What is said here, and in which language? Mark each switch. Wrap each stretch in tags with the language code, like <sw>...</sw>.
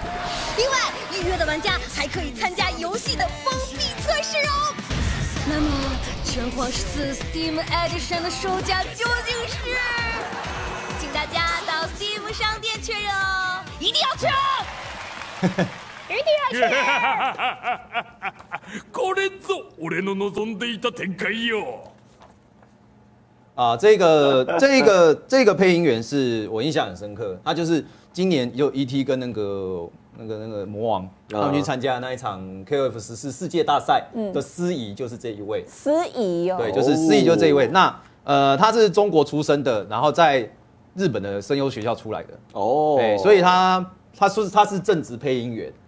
<zh>另外，预约的玩家还可以参加游戏的封闭测试哦。那么，拳皇十四 Steam Edition 的售价究竟是？请大家到 Steam 商店确认哦，一定要确认。一定要确认。</zh> <ja>これぞ俺の望んでいた展開よ。</ja> <zh>啊，这个配音员是我印象很深刻，他就是今年就 ET 跟那个魔王他们去参加那一场 KOF 十四世界大赛的司仪就是这一位。司仪哦，对，就是司仪就是这一位。那他是中国出生的，然后在日本的声优学校出来的哦，所以他说他是正职配音员。</zh>